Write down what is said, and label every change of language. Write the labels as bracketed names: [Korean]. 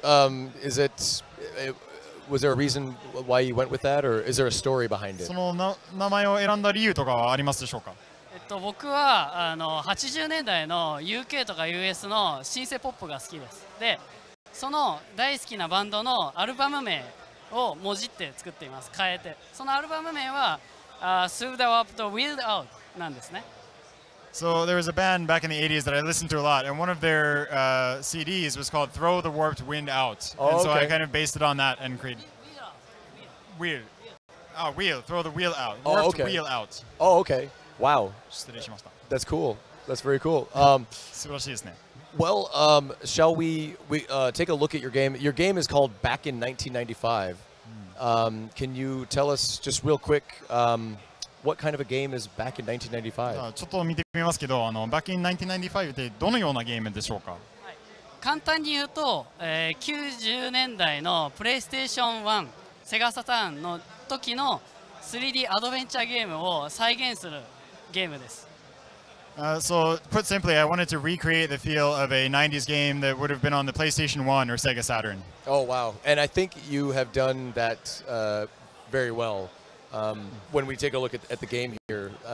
[English] Is it, was there a reason why you went with that, or is there a story behind it? [Japanese] その名前を選んだ理由とかはありますでしょうか？僕は80年代の UK とか US のシンセポップが好きです。で、その大好きなバンドのアルバム名をもじって作っています。変えて。そのアルバム名はSue the Warped Wheeled Out なんですね。 [English] So there was a band back in the 80s that I listened to a lot, and one of their CDs was called Throw the Warped Wind Out. And so I kind of based it on that and created. Wheel. Throw the wheel out. Warped wheel out. Oh, okay. Wow. [Japanese] 失礼しました。 [English] That's cool. That's very cool. [Japanese] 素晴らしいですね。 [English] Well, shall we take a look at your game? Your game is called Back in 1995. Can you tell us just real quick what kind of a game is Back in 1995? [Japanese] ちょっと見てみますけど、Back in 1995ってどのようなゲームでしょうか？簡単に言うと、90年代のプレイステーション1、セガサターンの時の 3D アドベンチャーゲームを再現するゲームです。 [English] So put simply, I wanted to recreate the feel of a 90s game that would have been on the PlayStation 1 or Sega Saturn. Oh wow, and I think you have done that very well when we take a look at the game here.